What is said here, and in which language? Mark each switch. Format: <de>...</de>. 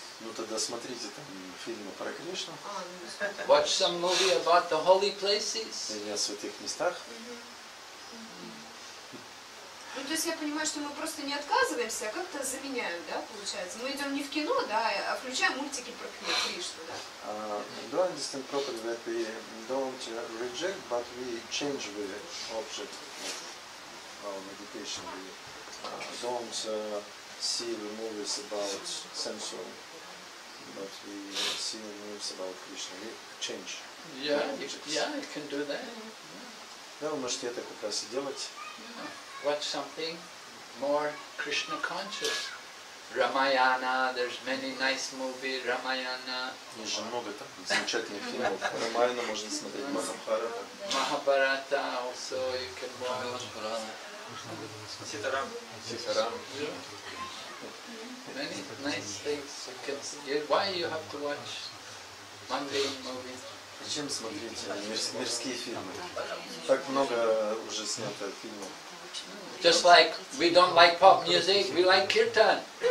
<ru>Ну тогда смотрите там фильмы про Кришну.</ru> <en>Watch some movie about the holy places.</en> <ru>Или о святых местах. Ну то есть я понимаю, что мы просто не отказываемся, а как-то заменяем, да, получается. Мы идем не в кино, да, а включаем мультики про Кришну, да.</ru> <en>Do you understand properly that we don't reject object, but we change the object of our meditation. We don't see the movies about sensual, but we see the movies about Krishna. We change. Yeah, you can do that. Yeah. Watch something more Krishna conscious. Рамаяна, there's many nice movie, Рамаяна.</en> <ru>Есть же много там замечательных фильмов. Рамаяна можно смотреть, Махабхарата.</ru> <en>Махабхарата, also you can watch.</en> <ru>Махабхарата. Ситарам. Ситарам.</ru> <en>Many nice things you can see. Why you have to watch mundane movies?</en> <ru>Зачем смотреть мирские фильмы? Так много уже снято фильмов.</ru> <en>Just like we don't like pop music, we like kirtan.</en>